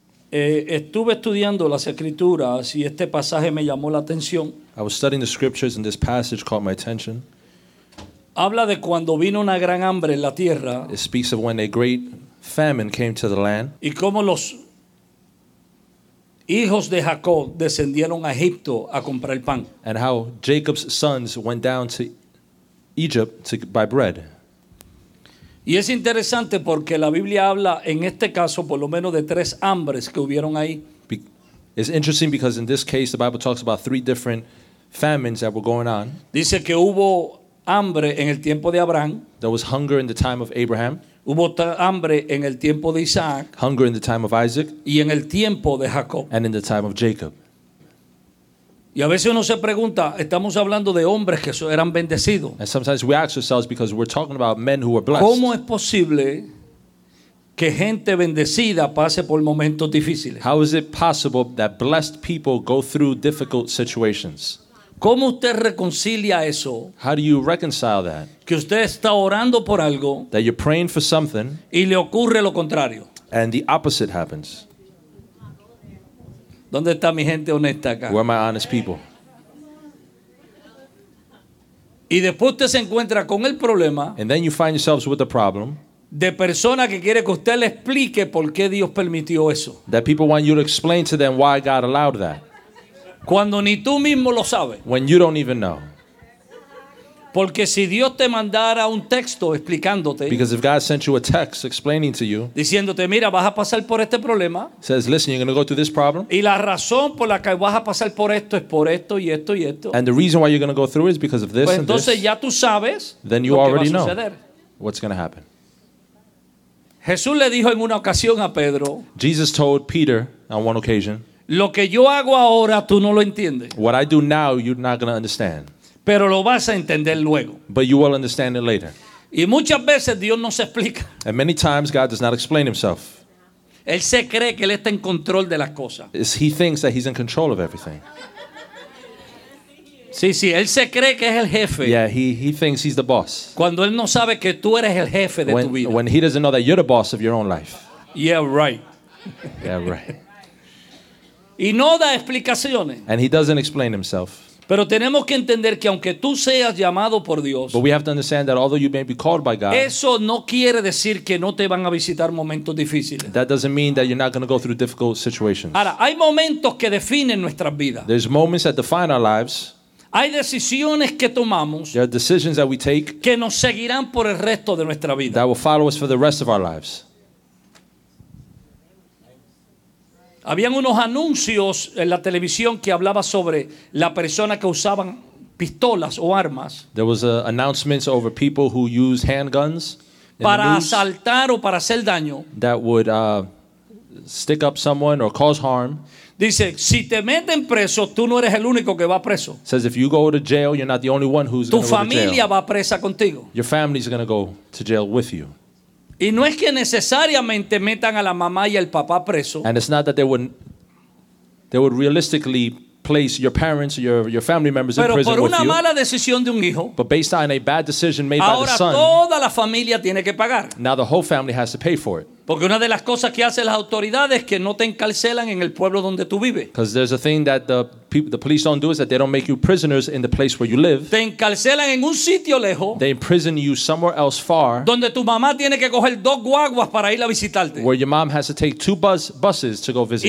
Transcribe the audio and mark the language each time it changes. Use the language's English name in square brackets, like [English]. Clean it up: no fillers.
[Spanish] Estuve estudiando las escrituras y este pasaje me llamó la atención. [English] I was studying the scriptures and this passage caught my attention. [Spanish] Habla de cuando vino una gran hambre en la tierra. [English] It speaks of when a great famine came to the land. [Spanish] Y cómo los hijos de Jacob descendieron a Egipto a comprar el pan. [English] And how Jacob's sons went down to Egypt to buy bread. [Spanish] Y es interesante porque la Biblia habla en este caso por lo menos de tres hambres que hubieron ahí. [English] It's interesting because in this case the Bible talks about three different famines that were going on. [Spanish] Dice que hubo hambre en el tiempo de Abraham. [English] There was hunger in the time of Abraham. [Spanish] Hubo hambre en el tiempo de Isaac. [English] Hunger in the time of Isaac. [Spanish] Y en el tiempo de Jacob. [English] And in the time of Jacob. [Spanish] Y a veces uno se pregunta, estamos hablando de hombres que eran bendecidos. [English] And sometimes we ask ourselves because we're talking about men who were blessed. [Spanish] ¿Cómo es posible que gente bendecida pase por momentos difíciles? [English] How is it possible that blessed people go through difficult situations? [Spanish] ¿Cómo usted reconcilia eso? [English] How do you reconcile that? [Spanish] Que usted está orando por algo. [English] That you're praying for something. [Spanish] Y le ocurre lo contrario. [English] And the opposite happens. [Spanish] ¿Dónde está mi gente honesta acá? [English] Where are my honest people? [Spanish] Y después usted se encuentra con el problema. [English] And then you find yourselves with the problem. [Spanish] De persona que quiere que usted le explique por qué Dios permitió eso. [English] That people want you to explain to them why God allowed that. [Spanish] Cuando ni tú mismo lo sabes. [English] When you don't even know. [Spanish] Porque si Dios te mandara un texto explicándote. [English] Because if God sent you a text explaining to you. [Spanish] Diciéndote, mira, vas a pasar por este problema. [English] Says, listen, you're going to go through this problem. [Spanish] Y la razón por la que vas a pasar por esto es por esto y esto y esto. [English] And the reason why you're going to go through is because of this [Spanish] pues Entonces ya tú sabes. [English] Then you [Spanish] lo que [English] already [Spanish] va a [English] suceder. Know what's going to happen. [Spanish] Jesús le dijo en una ocasión a Pedro. [English] Jesus told Peter on one occasion. [Spanish] Lo que yo hago ahora tú no lo entiendes. [English] What I do now you're not going to understand. [Spanish] Pero lo vas a entender luego. [English] But you will understand it later. [Spanish] Y muchas veces Dios no se explica. [English] And many times God does not explain himself. [Spanish] Él se cree que él está en control de las cosas. [English] He thinks that he's in control of everything. [Spanish] Sí, sí, él se cree que es el jefe. [English] Yeah, he thinks he's the boss. [Spanish] Cuando él no sabe que tú eres el jefe de tu vida. [English] When he doesn't know that you're the boss of your own life. Yeah, right. Yeah, right. [Spanish] Y no da explicaciones. [English] And he doesn't explain himself. [Spanish] Pero tenemos que entender que aunque tú seas llamado por Dios, [English] but we have to understand that although you may be called by God, [Spanish] eso no quiere decir que no te van a visitar momentos difíciles. [English] That doesn't mean that you're not going to go through difficult situations. [Spanish] Ahora, hay momentos que definen nuestras vidas. [English] There's moments that define our lives. [Spanish] Hay decisiones que tomamos. [English] There are decisions that we take [Spanish] que nos seguirán por el resto de nuestra vida. [English] That will follow us for the rest of our lives. [Spanish] Habían unos anuncios en la televisión que hablaba sobre la persona que usaban pistolas o armas. [English] There was announcements over people who used handguns. [Spanish] Para asaltar o para hacer daño. [English] That would stick up someone or cause harm. [Spanish] Dice, si te meten preso, tú no eres el único que va preso. [English] Says if you go to jail, you're not the only one who's going to jail. [Spanish] Tu familia va presa contigo. [English] Your family's going to go to jail with you. [Spanish] Y no es que necesariamente metan a la mamá y al papá preso. [English] And it's not that they would realistically place your parents or your family members in prison with you. [Spanish] Pero por una mala decisión de un hijo. [English] But based on a bad decision made [Spanish] ahora [English] by the son. [Spanish] Toda la familia tiene que pagar. [English] Now the whole family has to pay for it. [Spanish] Porque una de las cosas que hacen las autoridades es que no te encarcelan en el pueblo donde tú vives. [English] Because there's a thing that the police don't do is that they don't make you prisoners in the place where you live. [Spanish] Te encarcelan en un sitio lejos. [English] They imprison you somewhere else far. [Spanish] Donde tu mamá tiene que coger dos guaguas para ir a visitarte. [English] Where your mom has to take two buses to go visit